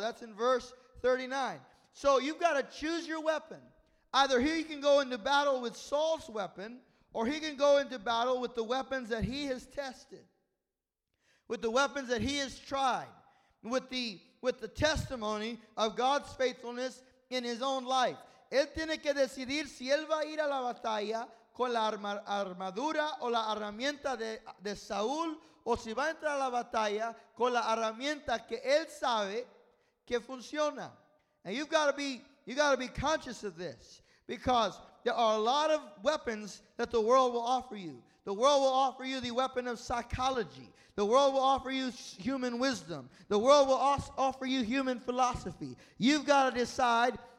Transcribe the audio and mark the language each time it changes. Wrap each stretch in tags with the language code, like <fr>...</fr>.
<en>That's in verse 39. So you've got to choose your weapon. Either he can go into battle with Saul's weapon, or he can go into battle with the weapons that he has tested, with the weapons that he has tried, with the testimony of God's faithfulness in his own life.</en> <es>Él tiene que decidir si él va a ir a la batalla con la armadura o la herramienta de Saúl, o si va a entrar a la batalla con la herramienta que él sabe que funciona.</es> <en>And you've got to be conscious of this. Because there are a lot of weapons that the world will offer you. The world will offer you the weapon of psychology. The world will offer you human wisdom. The world will offer you human philosophy. You've got to decide,</en>